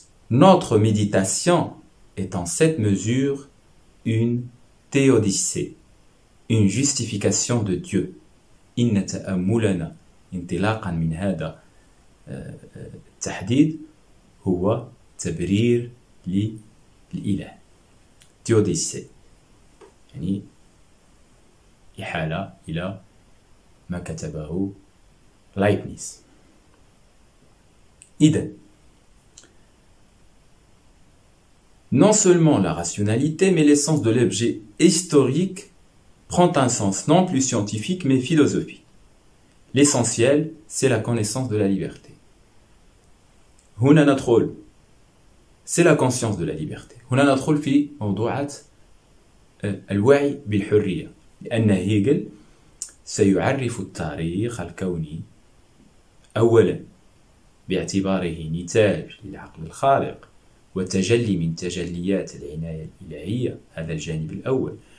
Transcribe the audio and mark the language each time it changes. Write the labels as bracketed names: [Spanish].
[French] Notre méditation est en cette mesure une théodicée, une justification de Dieu. [Arabic] إن تأملنا، انطلاقا من هذا التحديد هو تبرير للإله تيوديسي، يعني إحالة إلى ما كتبه لايبنيس. إذن [French] non seulement la rationalité mais l'essence de l'objet historique prend un sens non plus scientifique mais philosophique. L'essentiel c'est la connaissance de la liberté. [Arabic] هنا ندخل [French] c'est la conscience de la liberté. [Arabic] هنا ندخل في موضوعات الوعي بالحرية، لأن هيجل سيعرف التاريخ الكوني أولا باعتباره نتاج للعقل الخالق وتجلي من تجليات العناية الإلهية، هذا الجانب الأول.